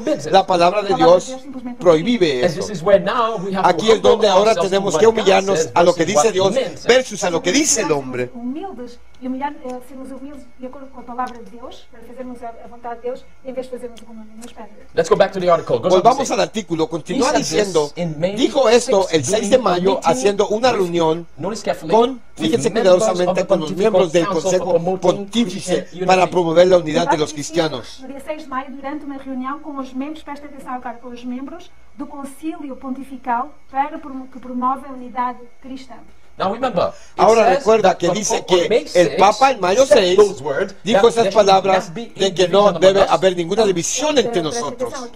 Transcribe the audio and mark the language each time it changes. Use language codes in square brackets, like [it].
[es] La palabra de Dios prohíbe eso. Aquí es donde ahora tenemos que humillarnos a lo que dice Dios versus a lo que dice el hombre. [pt] E humilhar, sermos humildes de acordo com a palavra de Deus, para fazermos a vontade de Deus, em vez de fazermos alguma espera. [en] Let's go back to the article. [es] Volvamos ao artículo. [pt] Continua dizendo, [es] dijo esto el 6 de mayo, haciendo una reunión con, fíjense cuidadosamente, con los miembros del Consejo Pontífice para promover la unidad de los cristianos. [pt] No dia 6 de maio, durante uma reunião com os membros, presta atenção, cara, com os membros do Concílio Pontifical para que promove a unidade cristã. [en] Now remember, [es] ahora recuerda que dice que el Papa en mayo 6 dijo esas palabras de que no debe haber ninguna división entre nosotros.